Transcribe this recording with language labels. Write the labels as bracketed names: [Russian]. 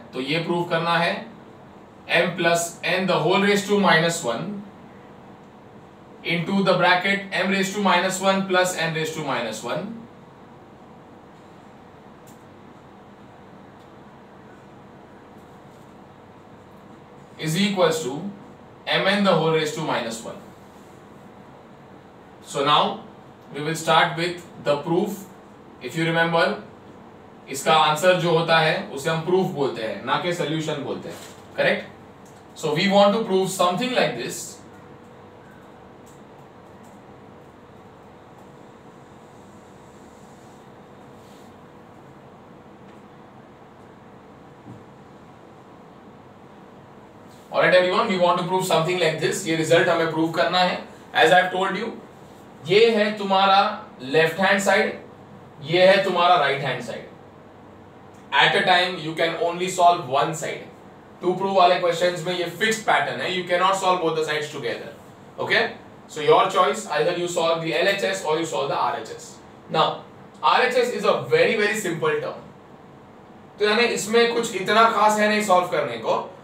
[Hindi] तो ये प्रूफ करना है [English] m plus n the whole raised to minus 1 into the bracket m raised to minus 1 plus n raised to minus 1 is equals to mn the whole raised to minus 1. So now we will start with the proof. If you remember, [Hindi] इसका answer जो होता है उसे हम proof बोलते हैं, ना कि सॉल्यूशन बोलते हैं, correct? [English] So we want to prove something like this. Alright everyone, we want to prove something like this. [Hindi] ये रिजल्ट हमें प्रूव करना है. [English] as I have told you, [Hindi] ये है तुम्हारा लेफ्ट हैंड साइड, ये है तुम्हारा right hand side. [English] At a time, you can only solve one side. Two proof [Hindi] wale questions mein ye fixed pattern hai. [English] You cannot solve both the sides together. Okay? So your choice, either you solve the LHS or you solve the RHS. Now, RHS is a very very simple term. [Hindi] To yaane isme kuch itna khas hai nahi solve karne ko.